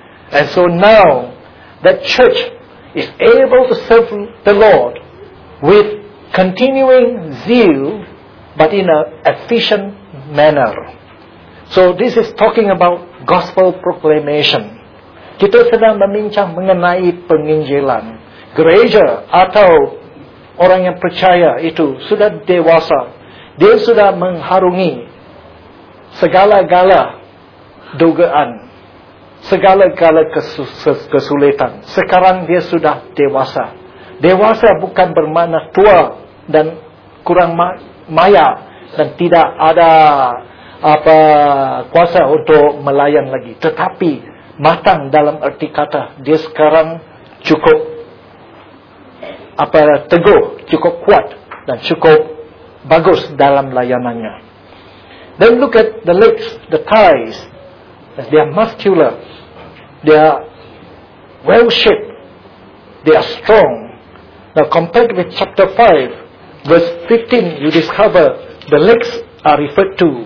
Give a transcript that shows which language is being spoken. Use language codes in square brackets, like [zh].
[en] And so now, that church is able to serve the Lord with continuing zeal, but in an efficient manner. So this is talking about gospel proclamation. [ms] Kita sedang membincang mengenai penginjilan. Gereja atau orang yang percaya itu sudah dewasa. Dia sudah mengharungi segala-gala dugaan, segala-gala kesulitan. Sekarang dia sudah dewasa. Dewasa bukan bermakna tua dan kurang maya dan tidak ada apa kuasa untuk melayan lagi. Tetapi matang dalam erti kata dia sekarang cukup apa teguh, cukup kuat dan cukup bagus dalam layanannya. [en] Then look at the legs, the thighs. They are muscular. They are well shaped. They are strong. Now compared with chapter 5, verse 15, you discover the legs are referred to.